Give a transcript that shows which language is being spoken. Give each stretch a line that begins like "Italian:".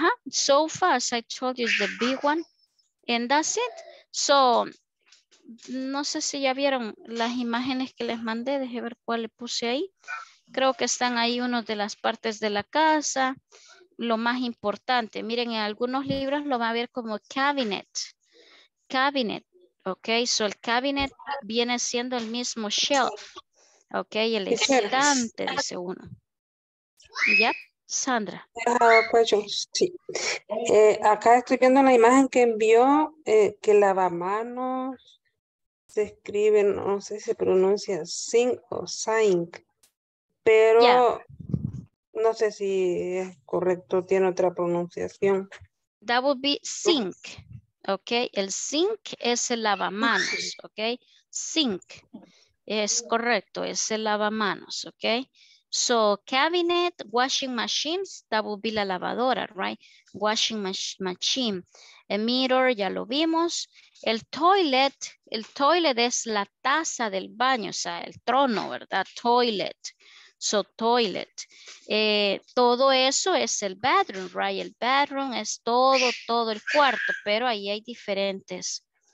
English: Sofa, as I told you, is the big one. And that's it.
Spanish: So, no sé si ya vieron las imágenes que les mandé. Dejé ver cuál le puse ahí. Creo que están ahí unos de las partes de la casa. Lo más importante. Miren, en algunos libros lo va a ver como cabinet. Cabinet. Ok, so el cabinet viene siendo el mismo shelf. Ok, el estante, dice uno. ¿Ya? Sandra. Sí. Acá estoy viendo la imagen que envió, que lavamanos se escribe, no sé si se pronuncia sink o sink, pero no sé si es correcto, tiene otra pronunciación.
English: That would be sink, ok.
Spanish: El sink es el lavamanos, ok. Sink es correcto, es el lavamanos, ok.
English: So, cabinet, washing machines, that would be
Spanish: la lavadora,
English: right? Washing machine. A mirror,
Spanish: ya lo vimos. El toilet es la taza del baño, o sea, el trono, ¿verdad? Toilet. So, toilet. Todo eso es el bedroom, right? El bedroom es todo el cuarto, pero ahí hay diferentes.